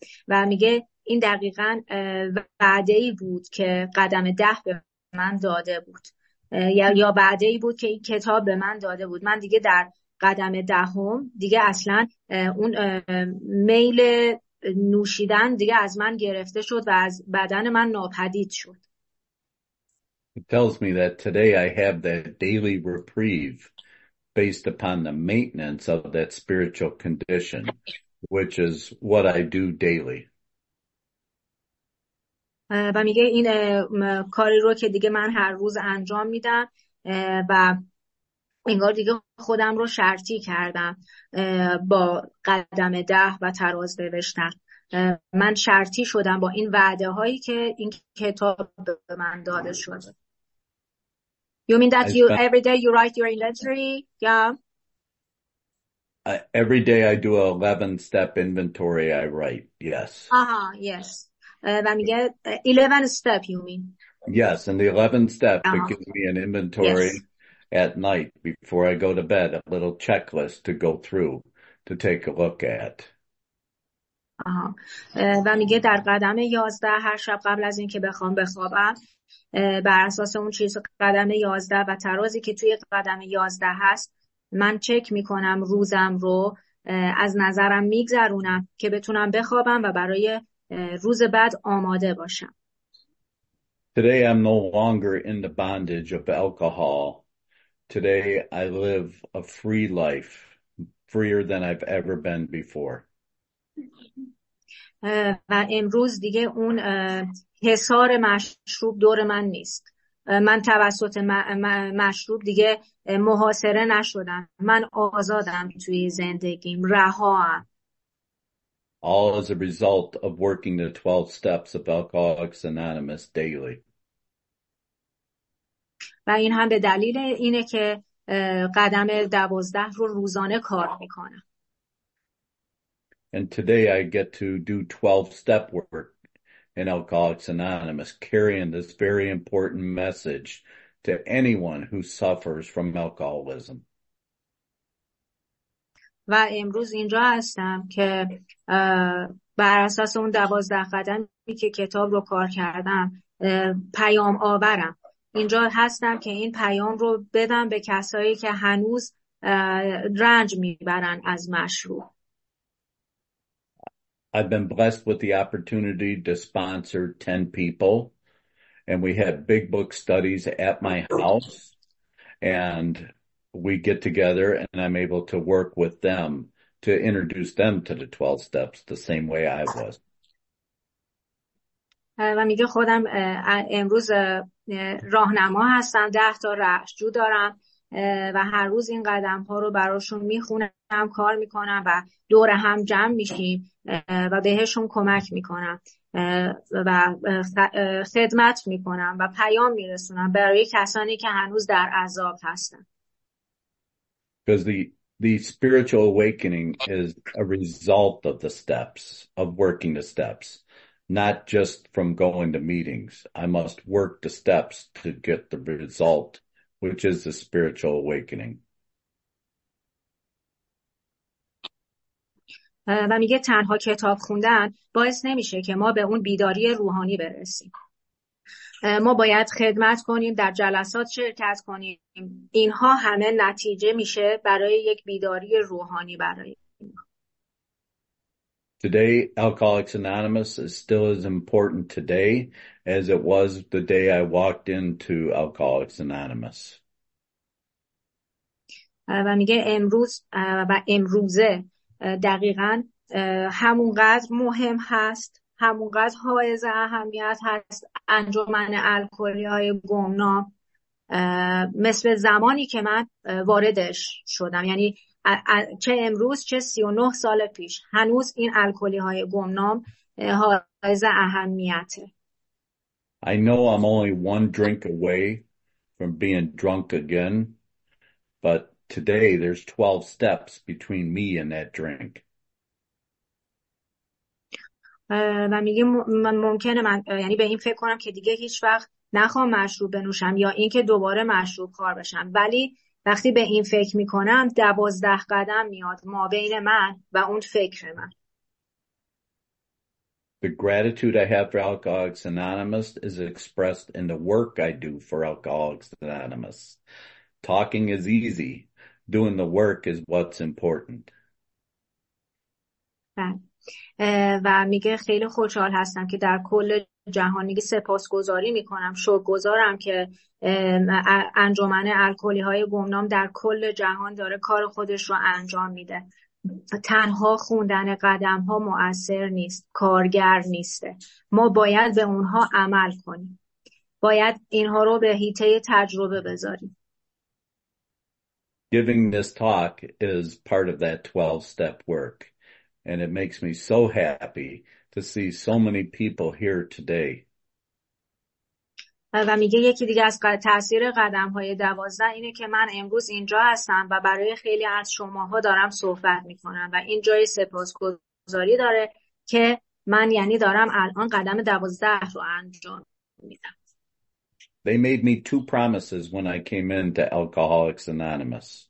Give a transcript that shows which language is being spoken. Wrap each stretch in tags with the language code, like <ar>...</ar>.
<fa>و میگه این دقیقاً وعده‌ای بود که قدم 10 به من داده بود. یا بعدی بود که این کتاب به من داده بود. من دیگه در قدم دهم دیگه اصلا اون میل نوشیدن دیگه از من گرفته شد و از بدن من ناپدید شد.</fa> <en>It tells me that today I have that daily reprieve based upon the maintenance of that spiritual condition, which is what I do daily.</en> <fa>و میگه این کاری رو که دیگه من هر روز انجام میدم و انگار دیگه خودم رو شرطی کردم با قدم 10 و تراز نوشتن. من شرطی شدم با این وعده هایی که این کتاب به من داده شده.</fa> <en>You mean that you every day you write your inventory? Yeah. Every day I do an 11-step inventory, I write, yes. Uh-huh, yes. When you get 11-step, you mean? Yes, and the 11-step gives me an inventory at night before I go to bed, a little checklist to go through, to take a look at.</en> <fa>و میگه در قدم 11 هر شب قبل از اینکه بخوام بخوابم بر اساس اون چیز قدم 11 و ترازی که توی قدم 11 هست من چک میکنم روزم رو از نظرم میگذرونم که بتونم بخوابم و برای روز بعد آماده باشم.</fa> <en>Today I'm no longer in the bondage of alcohol. Today I live a free life, freer than I've ever been before.</en> <fa>و امروز دیگه اون حصار مشروب دور من نیست. من توسط مشروب دیگه محاصره نشدم. من آزادم توی زندگیم. رهاام.</fa> <en>All as a result of working the 12 steps of Alcoholics Anonymous daily.</en> <fa>و این هم به دلیل اینه که قدم 12 رو روزانه کار میکنم.</fa> <en>And today I get to do 12-step work in Alcoholics Anonymous, carrying this very important message to anyone who suffers from alcoholism.</en> <fa>و امروز اینجا هستم که بر اساس اون 12 قدمی که کتاب رو کار کردم پیام آورم. اینجا هستم که این پیام رو بدم به کسایی که هنوز رنج میبرن از مشروب.</fa> <en>I've been blessed with the opportunity to sponsor 10 people, and we have big book studies at my house, and we get together, and I'm able to work with them to introduce them to the 12 steps the same way I was.</en> <fa>و میگه خودم امروز راهنما هستم، 10 تا رهجو دارم و هر روز این قدم ها رو براشون میخونم، کار میکنم و دور هم جمع میشیم و بهشون کمک میکنم و خدمت میکنم و پیام میرسونم برای کسانی که هنوز در عذاب هستن.</fa> <en>Because the spiritual awakening is a result of the steps, of working the steps. Not just from going to meetings. I must work the steps to get the result, which is the spiritual awakening.</en> <fa>و میگه تنها کتاب خوندن باعث نمیشه که ما به اون بیداری روحانی برسیم. ما باید خدمت کنیم، در جلسات شرکت کنیم. اینها همه نتیجه میشه برای یک بیداری روحانی برای</fa> <en>Today, Alcoholics Anonymous is still as important today as it was the day I walked into Alcoholics Anonymous.</en> <fa>و میگه امروز و امروزه دقیقاً همونقدر مهم هست، همونقدر حائز اهمیت هست انجمن الکلی‌های گمنام مثل زمانی که من واردش شدم. یعنی چه امروز چه 39 سال پیش هنوز این الکلی‌های گمنام حائز اهمیته.</fa> <en>I know I'm only one drink away from being drunk again, but today there's 12 steps between me and that drink.</en> <fa>و میگه ممکنه من یعنی به این فکر کنم که دیگه هیچ وقت نخوام مشروب بنوشم یا اینکه دوباره مشروب خوار بشم، ولی وقتی به این فکر میکنم 12 قدم میاد ما بین من و اون فکر من.</fa> <en>The gratitude I have for Alcoholics Anonymous is expressed in the work I do for Alcoholics Anonymous. Talking is easy. Doing the work is what's important.</en> <fa>و میگه خیلی خوشحال هستم که در کل جهان میگه سپاسگزاری میکنم، شکرگزارم که انجمن الکلی های گمنام در کل جهان داره کار خودش رو انجام میده. تنها خوندن قدم ها مؤثر نیست، کارگر نیسته. ما باید به اونها عمل کنیم، باید اینها رو به حیطه تجربه بذاریم.</fa> <en>Giving this talk is part of that 12 step work. And it makes me so happy to see so many people here today.</en> <fa>و میگه یکی دیگه از تاثیر قدم های 12 اینه که من امروز اینجا هستم و برای خیلی از شماها دارم صحبت میکنم و این جای سپاسگزاری داره که من یعنی دارم الان قدم 12 رو انجام میدم.</fa> <en>They made me two promises when I came into Alcoholics Anonymous.</en>